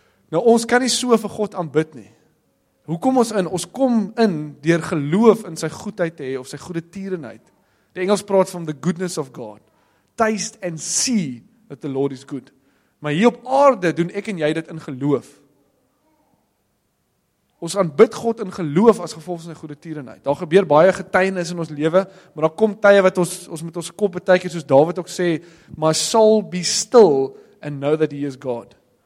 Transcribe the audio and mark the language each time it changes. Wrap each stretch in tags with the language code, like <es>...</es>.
<af>Nou ons kan nie so vir God aanbid nie. Hoe kom ons in? Ons kom in deur geloof in sy goedheid te hê of sy goeie tierenheid. Die Engels praat van</af> <en>the goodness of God. Taste and see that the Lord is good.</en> <af>Maar hier op aarde doen ek en jy dit in geloof. Ons aanbid God in geloof as gevolg van sy goeie tierenheid. Daar gebeur baie getuienis in ons lewe, maar daar kom tye wat ons met ons kop partykeer soos Dawid ook sê,</af> <en>"My soul be still and know that he is God."</en>